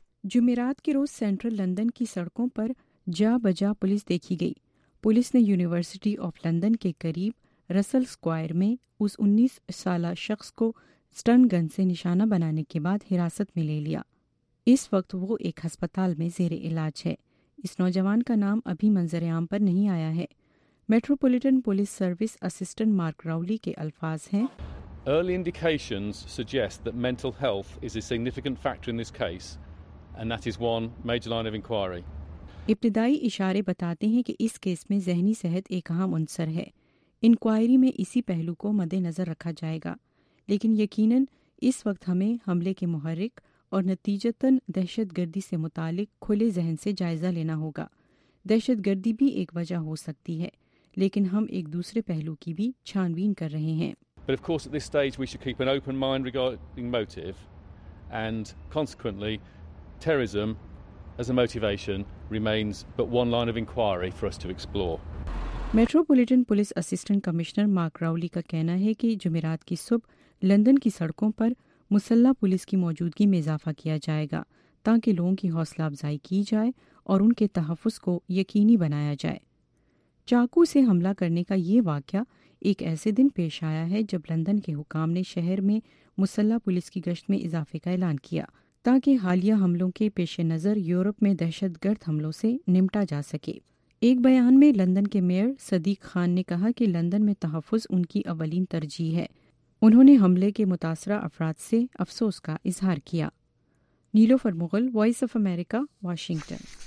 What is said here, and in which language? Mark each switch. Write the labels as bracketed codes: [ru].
[ur] جمعرات کے روز central London کی سڑکوں پر جا بجا پولیس دیکھی گئی۔ پولیس نے یونیورسٹی آف لندن کے قریب رسل اسکوائر میں اس 19 سالہ شخص کو سٹن گن سے نشانہ بنانے کے بعد حراست میں لے لیا۔ اس وقت وہ ایک ہسپتال میں زیر علاج ہے۔ اس نوجوان کا نام ابھی منظر عام پر نہیں آیا ہے۔ Metropolitan police service assistant mark راولی کے الفاظ ہیں، [en] Early indications suggest that mental health is a significant factor in this case and that is one major line of inquiry. [ur] ابتدائی اشارے بتاتے ہیں کہ اس کیس میں ذہنی صحت ایک اہم عنصر ہے۔ انکوائری میں اسی پہلو کو مد نظر رکھا جائے گا، لیکن یقیناً اس وقت ہمیں حملے کے محرک اور نتیجتاً دہشت گردی سے متعلق کھلے ذہن سے جائزہ لینا ہوگا۔ دہشت گردی بھی ایک وجہ ہو سکتی ہے، لیکن ہم ایک دوسرے پہلو کی بھی چھان بین کر رہے ہیں۔ [en] But of course at this stage we should keep an open mind regarding motive and consequently terrorism as a motivation remains but one line of inquiry for us to explore۔ [ur] Metropolitan police assistant commissioner mark راولی کا کہنا ہے کہ جمعرات کی صبح London کی سڑکوں پر مسلح پولیس کی موجودگی میں اضافہ کیا جائے گا تاکہ لوگوں کی حوصلہ افزائی کی جائے اور ان کے تحفظ کو یقینی بنایا جائے۔ چاقو سے حملہ کرنے کا یہ واقعہ ایک ایسے دن پیش آیا ہے جب لندن کے حکام نے شہر میں مسلح پولیس کی گشت میں اضافے کا اعلان کیا تاکہ حالیہ حملوں کے پیش نظر یورپ میں دہشت گرد حملوں سے نمٹا جا سکے۔ ایک بیان میں لندن کے میئر صدیق خان نے کہا کہ لندن میں تحفظ ان کی اولین ترجیح ہے۔ انہوں نے حملے کے متاثرہ افراد سے افسوس کا اظہار کیا۔ نیلوفر Mughal, voice of America, Washington.